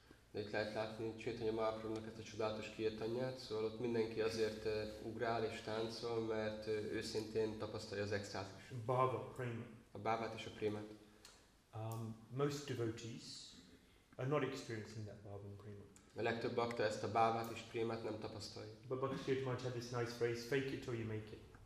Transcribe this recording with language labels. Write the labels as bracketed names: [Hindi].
[Hungarian] De itt lehet látni Chaitanya Mahaprabhunak ezt a csodálatos kirtanját, szóval ott mindenki azért ugrál és táncol, mert őszintén tapasztalja az extázist. [Sanskrit] Bhava, prema. [Hungarian] A bhavát és a prémát. [English] Most devotees are not experiencing that bhava and prema. [Hungarian] A legtöbb bakta ezt a bhavát és prémát nem tapasztalja. [English] But Bhakti Tirtha Maharaj had this nice phrase, fake it till you make it.